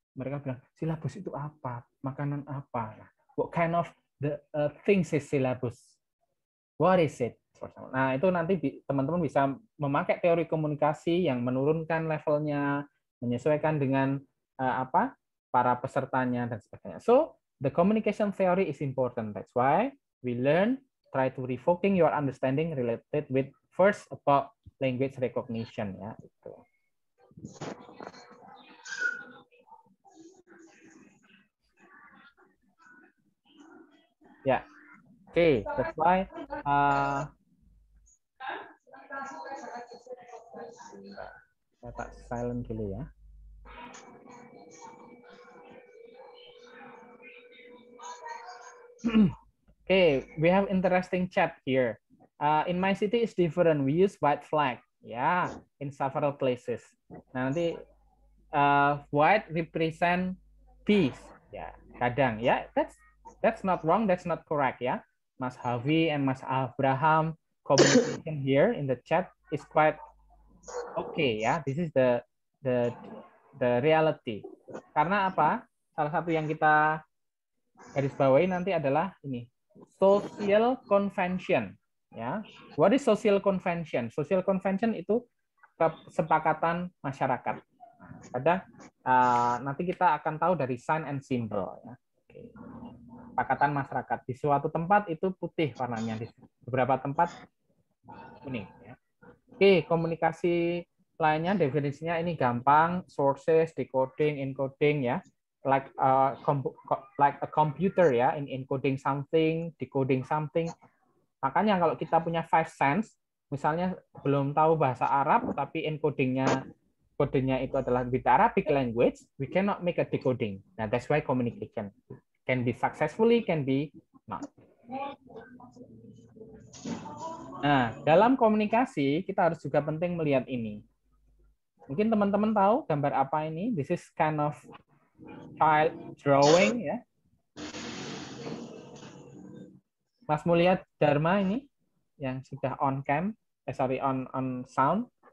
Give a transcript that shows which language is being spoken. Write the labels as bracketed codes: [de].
[id] Mereka bilang, silabus itu apa? Makanan apa? [en] What kind of the things is silabus? What is it? [id] Nah, itu nanti teman-teman bisa memakai teori komunikasi yang menurunkan levelnya, menyesuaikan dengan para pesertanya dan sebagainya. [en] So, the communication theory is important. That's why we learn, try to refocusing your understanding related with first about language recognition [id] ya itu. [en] Ya. Yeah. Okay, that's why [id] saya tak [en] silent dulu ya. Okay, we have interesting chat here. In my city is different. We use white flag. Yeah, in several places. [id] Nah, nanti [en] white represent peace. Yeah, kadang. Yeah, that's not wrong. That's not correct. Yeah, Mas Havi and Mas Abraham communication here in the chat is quite okay. Yeah, this is the reality. [id] Karena apa? Salah satu yang kita garis bawahi nanti adalah ini social convention. Ya, yeah. [en] What is social convention? Social convention [id] itu kesepakatan masyarakat. Ada nanti kita akan tahu dari sign and symbol. Ya. Okay. Kesepakatan masyarakat di suatu tempat itu putih warnanya, di beberapa tempat kuning. Ya. Oke, okay. Komunikasi lainnya definisinya ini gampang. [en] Sources, decoding, encoding, ya. Yeah. Like a computer, ya. Yeah. In encoding something, decoding something. [id] Makanya kalau kita punya five sense, misalnya belum tahu bahasa Arab, tapi encodingnya kodenya itu adalah [en] with Arabic language, we cannot make a decoding. Nah, that's why communication can be successfully, can be not. [id] Nah, dalam komunikasi, kita harus juga penting melihat ini. Mungkin teman-teman tahu gambar apa ini? [en] This is kind of child drawing, ya. [id] Mas Mulia Dharma ini, yang sudah on cam, on sound.